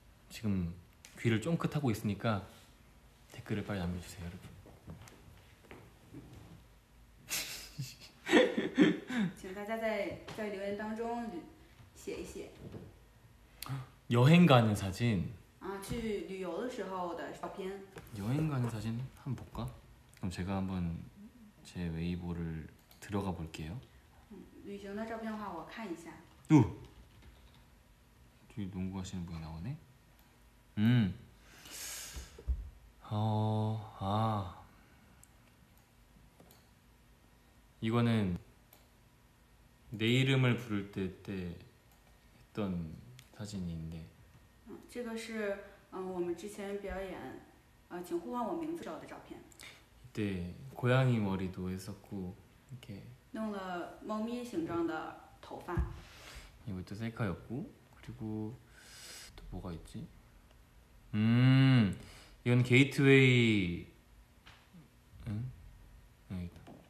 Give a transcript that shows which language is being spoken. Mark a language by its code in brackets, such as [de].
[ko] 지금귀를쫑긋하고있으니까댓글을빨리남겨주세요여러분 [zh] 请大家在留言当中写一写 [ko] 여행가는사진 [zh] 아去旅游的时候的照片 [ko] 여행가는사진한번볼까그럼제가한번제웨이보를들어가볼게요 [zh] 旅行的照片的话我看一下 [ko] 오뒤에농구하시는분이나오네이거는내이름을부를때했던사진인데 [zh] 这个是我们之前表演请呼唤我名字时候的照片 [ko] 이때고양이머리도했었고이렇게 [zh] 弄了猫咪形状的头发 [ko] 이것도셀카였고그리고또뭐가있지이건게이트웨이응여기다